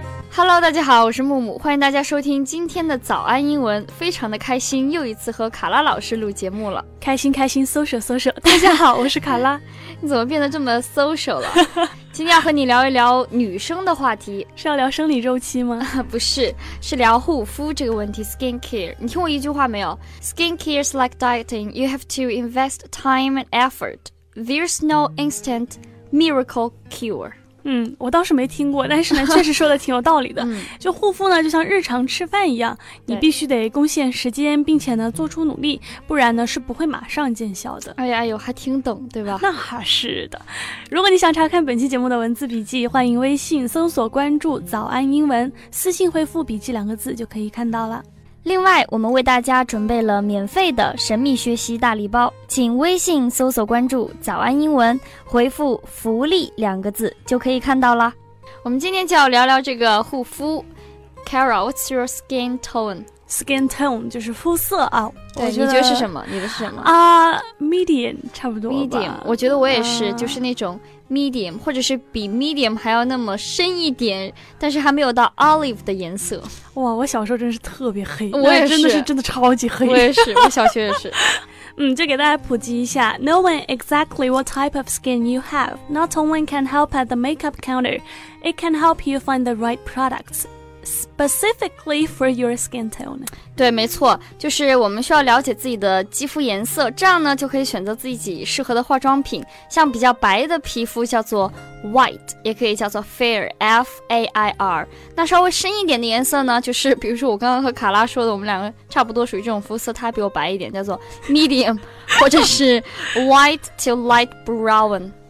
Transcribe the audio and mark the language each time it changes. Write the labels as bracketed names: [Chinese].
[Chinese] Hello， 大家好，我是木木，欢迎大家收听今天的早安英文，非常的开心，又一次和卡拉老师录节目了，开心开心 ，social social， 大家好，我是卡拉，你怎么变得这么 social 了？今天要和你聊一聊女生的话题，是要聊生理周期吗？不是，是聊护肤这个问题 ，skin care。你听我一句话没有 [English] ？Skin care is like dieting, you have to invest time and effort. There's no instant miracle cure. [Chinese] 嗯，我倒是没听过，但是呢确实说的挺有道理的。嗯，就护肤呢就像日常吃饭一样，你必须得贡献时间，并且呢做出努力，不然呢是不会马上见效的。哎呀哎呦，还听懂对吧？那是的。如果你想查看本期节目的文字笔记，欢迎微信搜索关注早安英文，私信回复笔记两个字就可以看到了。另外，我们为大家准备了免费的神秘学习大礼包，请微信搜索关注早安英文，回复福利两个字就可以看到了。我们今天就要聊聊这个护肤。 [English] Kara, what's your skin tone? [Chinese] Skin tone 就是肤色啊。对，觉你觉得是什么？你的是什么？ Medium 差不多吧。 Medium, 我觉得我也是，就是那种 medium 或者是比 medium 还要那么深一点，但是还没有到 olive 的颜色。哇，我小时候真是特别黑，我也是，真的是真的超级黑。我也是，我小学也是。嗯，就给大家普及一下 [English] ，knowing exactly what type of skin you have not only can help at the makeup counter, it can help you find the right products. Specifically for your skin tone. [Chinese] 对，没错，就是我们需要了解自己的肌肤颜色，这样呢就可以选择自己适合的化妆品。像比较白的皮肤叫做 white， 也可以叫做 fair， F-A-I-R。那稍微深一点的颜色呢，就是比如说我刚刚和卡拉说的，我们两个差不多属于这种肤色，它比我白一点，叫做 medium， 或者是 [English] white to light brown。